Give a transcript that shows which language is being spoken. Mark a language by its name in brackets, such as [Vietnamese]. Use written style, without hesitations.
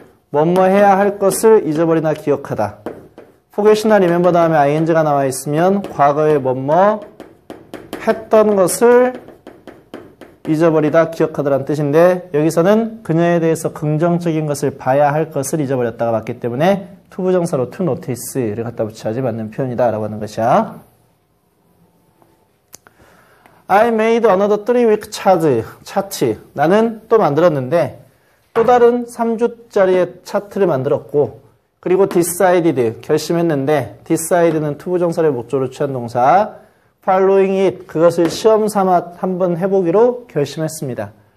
[Korean] 뭐뭐 해야 할 것을 잊어버리나 기억하다. 포겟이나 리멤버 다음에 ing가 나와 있으면 과거에 뭐뭐 했던 것을 잊어버리다 기억하더란 뜻인데 여기서는 그녀에 대해서 긍정적인 것을 봐야 할 것을 잊어버렸다가 맞기 때문에 투부정사로 to notice를 갖다 붙여야지 맞는 표현이다 라고 하는 것이야. [English] I made another 3-week chart. [Korean] 나는 또 만들었는데 또 다른 3주짜리의 차트를 만들었고 그리고 decided 결심했는데 decided는 투부정사를 목조로 취한 동사 [English] Following it, [Korean] 그것을 시험삼아 한번 해보기로 결심했습니다.